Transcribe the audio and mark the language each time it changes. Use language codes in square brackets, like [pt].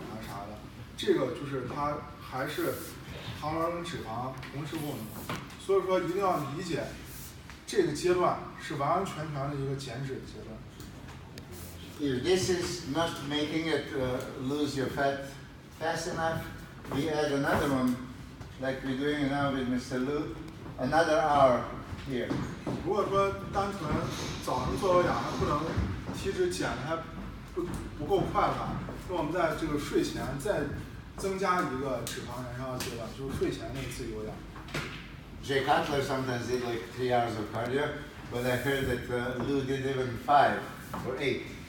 [zh] 就是说这种空腹有氧呢，它是通过脂肪供的，那力量训练是糖原供的。那像一般的那种有氧运动，比如说去游泳啊啥的，这个就是它还是 糖原跟脂肪同时供应，所以说一定要理解，这个阶段是完完全全的一个减脂的阶段。If [en] this is not making it lose your fat fast enough, we add another one, like we're doing now with Mr. Lu, another hour here. [zh] 如果说单纯早上做有氧，不能体脂减的还不够快的话，那我们在这个睡前再 [en] Jay Cutler sometimes did like 3 hours of cardio, but I heard that Lou did even 5 or 8.